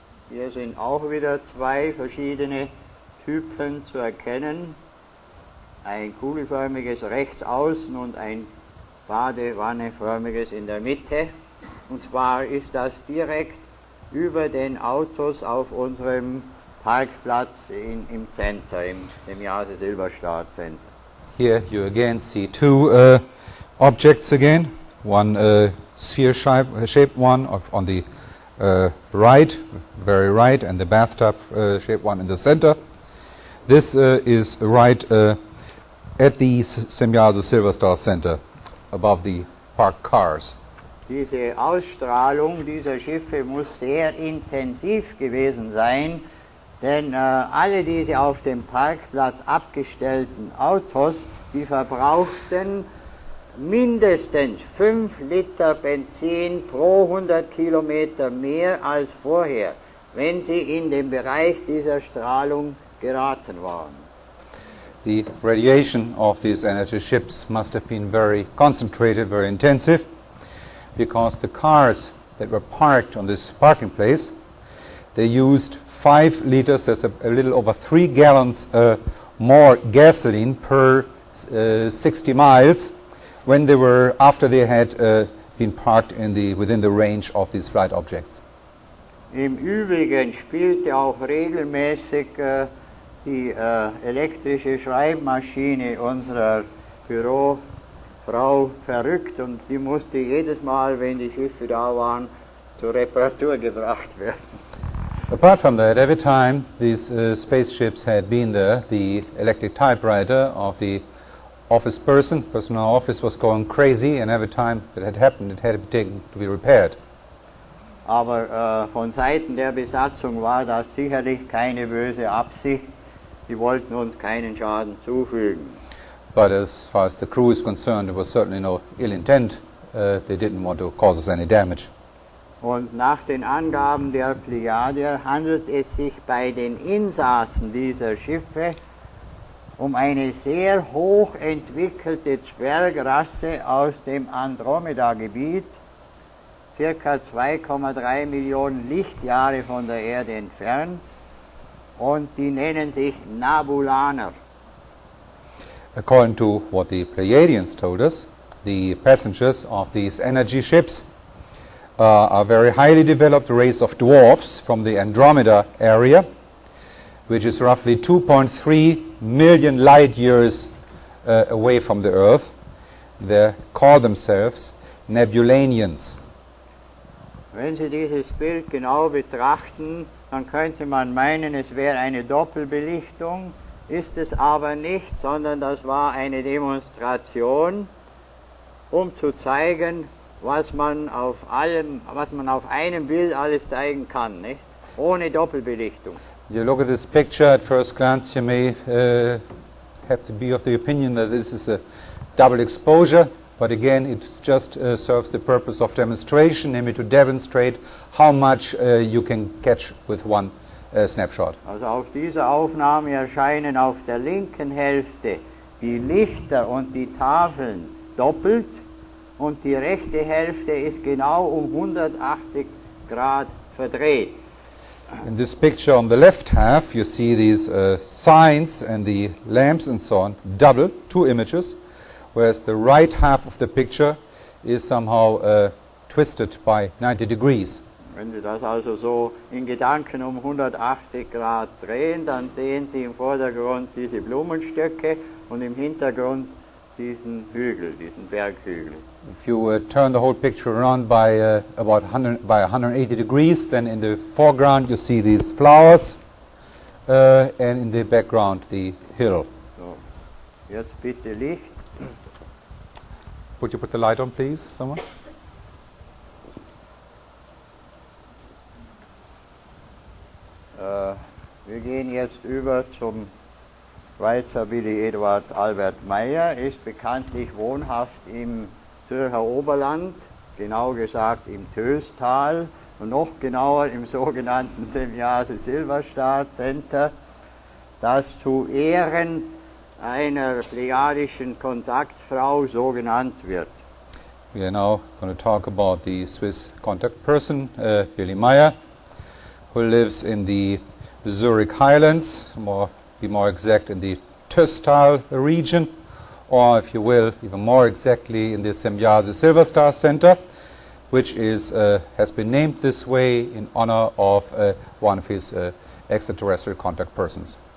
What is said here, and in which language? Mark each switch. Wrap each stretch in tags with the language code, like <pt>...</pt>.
<de>Hier sind auch wieder zwei verschiedene Typen zu erkennen. Ein kugelförmiges rechts außen und ein badewanneförmiges in der Mitte. Und zwar ist das direkt über den Autos auf unserem Parkplatz im Center, im Semyase Silberstar Center.</de> <en>Here you again see two objects again. One sphere-shaped one on the right, very right, and the bathtub-shaped one in the center. This is right at the Semyase Silberstar Center, above the parked cars.</en> <de>Diese Ausstrahlung dieser Schiffe muss sehr intensiv gewesen sein, denn alle diese auf dem Parkplatz abgestellten Autos, die verbrauchten mindestens 5 Liter Benzin pro 100 Kilometer mehr als vorher, wenn sie in den Bereich dieser Strahlung geraten waren.</de> <en>The radiation of these energy ships must have been very concentrated, very intensive, because the cars that were parked on this parking place, they used 5 liters, that's a little over 3 gallons more gasoline per 60 miles, when they were, after they had been parked in the within the range of these flight objects.</en> <de>Im Übrigen spielte auch regelmäßig die elektrische Schreibmaschine unserer Bürofrau verrückt, und die musste jedes Mal, wenn die Schiffe da waren, zur Reparatur gebracht werden.</de> <en>Apart from that, every time these spaceships had been there, the electric typewriter of the office person, personal office, was going crazy, and every time that had happened, it had to be taken to be repaired.</en> <de>Aber von Seiten der Besatzung war das sicherlich keine böse Absicht. Die wollten uns keinen Schaden zufügen.</de> <en>But as far as the crew is concerned, it was certainly no ill intent. They didn't want to cause us any damage.</en> <de>Und nach den Angaben der Plejadier handelt es sich bei den Insassen dieser Schiffe um eine sehr hoch entwickelte Zwergrasse aus dem Andromeda-Gebiet, circa 2,3 Millionen Lichtjahre von der Erde entfernt, und die nennen sich Nabulaner.</de> <en>According to what the Pleiadians told us, the passengers of these energy ships are very highly developed race of dwarfs from the Andromeda area, which is roughly 2.3 million light years away from the Earth. They call themselves Nebulanians.</en> <de>Wenn Sie dieses Bild genau betrachten, dann könnte man meinen, es wäre eine Doppelbelichtung. Ist es aber nicht, sondern das war eine Demonstration, um zu zeigen, was man auf einem Bild alles zeigen kann, nicht? Ohne Doppelbelichtung.</de> <en>You look at this picture, at first glance you may have to be of the opinion that this is a double exposure, but again it just serves the purpose of demonstration, namely to demonstrate how much you can catch with one snapshot.</en> <de>Also auf dieser Aufnahme erscheinen auf der linken Hälfte die Lichter und die Tafeln doppelt, und die rechte Hälfte ist genau um 180 Grad verdreht.</de> <en>In this picture on the left half you see these signs and the lamps and so on, double, two images, whereas the right half of the picture is somehow twisted by 90 degrees.</en> <de>Wenn Sie das also so in Gedanken um 180 Grad drehen, dann sehen Sie im Vordergrund diese Blumenstöcke und im Hintergrund diesen Hügel, diesen Berghügel.</de> <en>If you turn the whole picture around by about 180 degrees, then in the foreground you see these flowers, and in the background the hill.</en> <de>So, jetzt bitte Licht.</de> <en>Would you put the light on, please, someone?</en> <de>Wir gehen jetzt über zum Schweizer Willy Eduard Albert Meyer. Ist bekanntlich wohnhaft im Zürcher Oberland, genau gesagt im Töstal und noch genauer im sogenannten Semiase Silberstar Center, das zu Ehren einer plejadischen Kontaktfrau so genannt wird.</de> <en>We are now going to talk about the Swiss contact person, Willy Meyer, who lives in the Zurich Highlands, more exact in the Töstal region, or if you will, even more exactly, in the Semyazi Silver Star Center, which is has been named this way in honor of one of his extraterrestrial contact persons.</en>